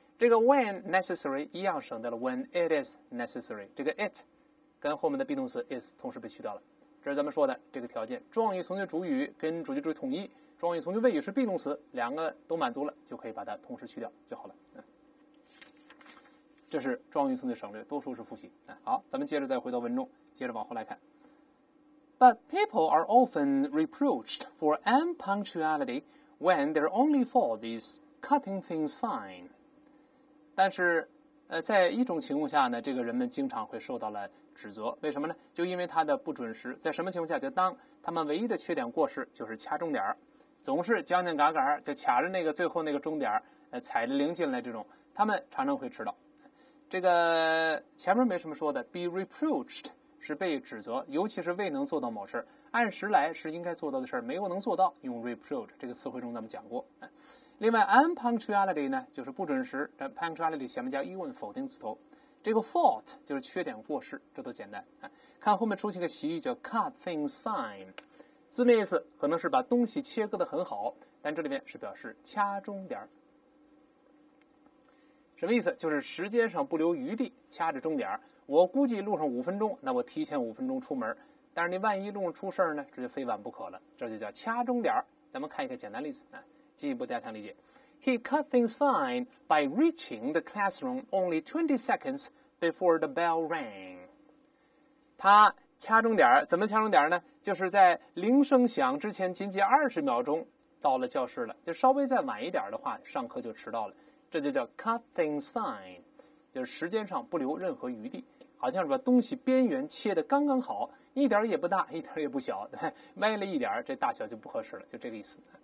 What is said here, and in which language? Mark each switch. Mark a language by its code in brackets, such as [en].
[zh] 这个 when necessary 一样省掉了 [en] when it is necessary， [zh] 这个 it 跟后面的 be 动词 is 同时被去掉了。这是咱们说的这个条件，状语从句主语跟主句主语统一，状语从句谓语是 be 动词，两个都满足了就可以把它同时去掉就好了。这是状语从句省略，多数是复习。好，咱们接着再回到文中，接着往后来看。 [en] But people are often reproached for unpunctuality when their only fault is cutting things fine。 [zh] 但是在一种情况下呢，这个人们经常会受到了指责，为什么呢？就因为他的不准时。在什么情况下？就当他们唯一的缺点过失就是掐终点，总是将将嘎嘎，就卡着那个最后那个终点，踩着零进来，这种他们常常会迟到。这个前面没什么说的， be reproached 是被指责，尤其是未能做到某事，按时来是应该做到的事，没有能做到，用 reproach 这个词汇中咱们讲过。另外 unpunctuality 呢就是不准时，这 punctuality 前面加疑问否定词头，这个 fault 就是缺点过失，这都简单。看后面出现个习语叫 cut things fine， 字面意思可能是把东西切割得很好，但这里面是表示掐中点。什么意思？就是时间上不留余地，掐着中点。我估计路上五分钟，那我提前五分钟出门，但是你万一路上出事呢，这就非晚不可了，这就叫掐中点。咱们看一个简单例子，进一步加强理解。 [en] He cut things fine by reaching the classroom only 20 seconds before the bell rang。 [zh] 他掐中点，怎么掐中点呢？就是在铃声响之前仅仅20秒钟到了教室了，就稍微再晚一点的话上课就迟到了，这就叫 cut things fine， 就是时间上不留任何余地，好像是把东西边缘切得刚刚好，一点也不大一点也不小，歪了一点这大小就不合适了，就这个意思。